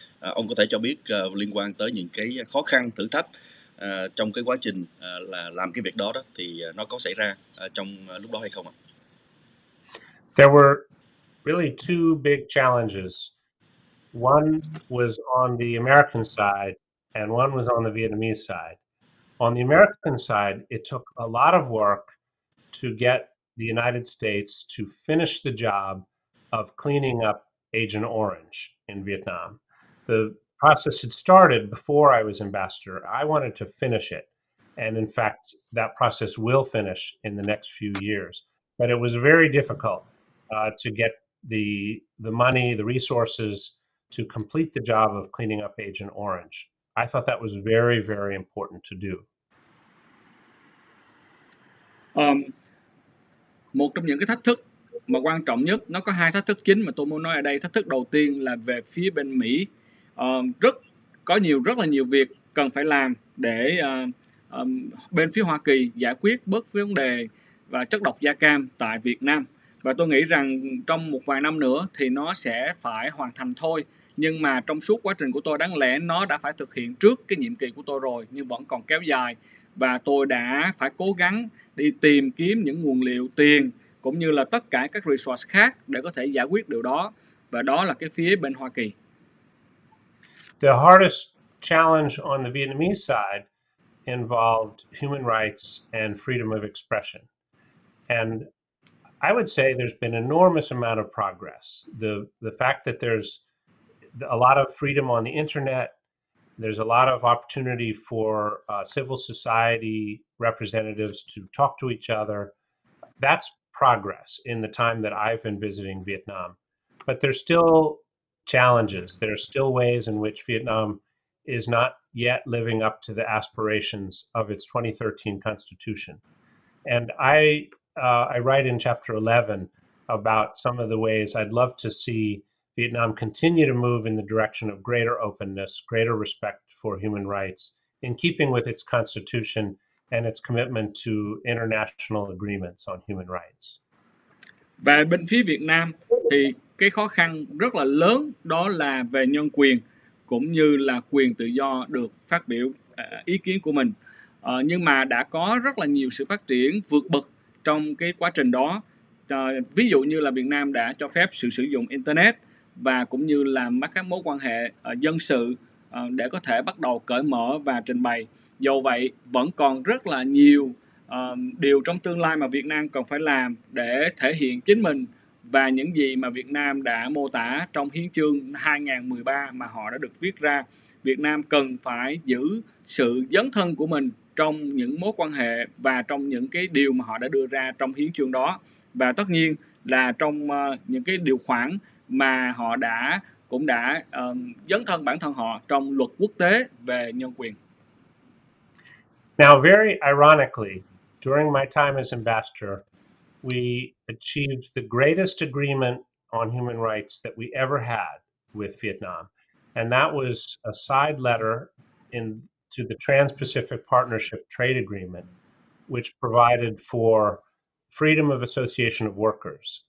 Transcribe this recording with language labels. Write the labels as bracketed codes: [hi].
[vi] Ông có thể cho biết liên quan tới những cái khó khăn, thử thách trong cái quá trình là làm cái việc đó đó, thì nó có xảy ra trong lúc đó hay không ạ? [en] There were really two big challenges. One was on the American side and one was on the Vietnamese side. On the American side, it took a lot of work to get the United States to finish the job of cleaning up Agent Orange in Vietnam. The process had started before I was ambassador. I wanted to finish it. And in fact, that process will finish in the next few years. But it was very difficult to get the money, the resources to complete the job of cleaning up Agent Orange. I thought that was very, very important to do. [vi] Một trong những cái thách thức mà quan trọng nhất, nó có hai thách thức chính mà tôi muốn nói ở đây. Thách thức đầu tiên là về phía bên Mỹ. Rất là nhiều việc cần phải làm để bên phía Hoa Kỳ giải quyết bớt vấn đề và chất độc da cam tại Việt Nam. Và tôi nghĩ rằng trong một vài năm nữa thì nó sẽ phải hoàn thành thôi. Nhưng mà trong suốt quá trình của tôi, đáng lẽ nó đã phải thực hiện trước cái nhiệm kỳ của tôi rồi, nhưng vẫn còn kéo dài. Và tôi đã phải cố gắng đi tìm kiếm những nguồn liệu tiền cũng như là tất cả các resource khác để có thể giải quyết điều đó. Và đó là cái phía bên Hoa Kỳ. [en] The hardest challenge on the Vietnamese side involved human rights and freedom of expression. And I would say there's been enormous amount of progress. The fact that there's a lot of freedom on the internet, there's a lot of opportunity for civil society representatives to talk to each other. That's progress in the time that I've been visiting Vietnam. But there's still challenges. There are still ways in which Vietnam is not yet living up to the aspirations of its 2013 constitution. And I write in chapter 11 about some of the ways I'd love to see Vietnam continue to move in the direction of greater openness, greater respect for human rights, in keeping with its constitution and its commitment to international agreements on human rights. [vi] Và bên phía Việt Nam thì cái khó khăn rất là lớn đó là về nhân quyền cũng như là quyền tự do được phát biểu ý kiến của mình. Nhưng mà đã có rất là nhiều sự phát triển vượt bậc trong cái quá trình đó. Ví dụ như là Việt Nam đã cho phép sự sử dụng Internet và cũng như là các mối quan hệ dân sự để có thể bắt đầu cởi mở và trình bày. Do vậy, vẫn còn rất là nhiều điều trong tương lai mà Việt Nam cần phải làm để thể hiện chính mình và những gì mà Việt Nam đã mô tả trong Hiến chương 2013 mà họ đã được viết ra. Việt Nam cần phải giữ sự dấn thân của mình trong những mối quan hệ và trong những cái điều mà họ đã đưa ra trong Hiến chương đó. Và tất nhiên là trong những cái điều khoản mà họ đã cũng đã dấn thân bản thân họ trong luật quốc tế về nhân quyền. [en] Now, very ironically, during my time as ambassador, we achieved the greatest agreement on human rights that we ever had with Vietnam. And that was a side letter to the Trans-Pacific Partnership Trade Agreement, which provided for freedom of association of workers.